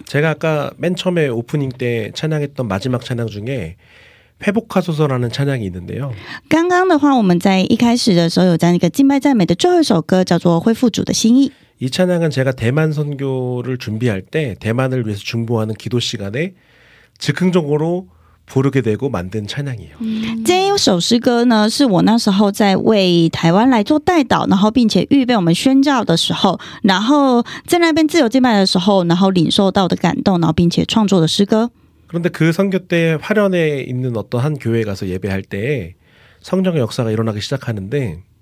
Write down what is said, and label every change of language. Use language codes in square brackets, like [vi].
[ko] 제가 아까 맨 처음에 오프닝때 찬양했던 마지막 찬양 중에 회복하소서라는 찬양이 있는데요. [zh] 刚刚的话我们在一开始的时候有这样一个敬拜赞美的最后一首歌叫做恢复主的心意 [ko] 이 찬양은 제가 대만 선교를 준비할 때 대만을 위해서 중보하는 기도 시간에 즉흥적으로 부르게 되고 만든 찬양이에요. [zh] 这一首诗歌呢是我那时候在为台湾来做代祷然后并且预备我们宣教的时候然后在那边自由敬拜的时候然后领受到的感动然后并且创作的诗歌 [ko] 그런데 그 선교 때 화련에 있는 어떤 한 교회에 가서 예배할 때 성령의 역사가 일어나기 시작하는데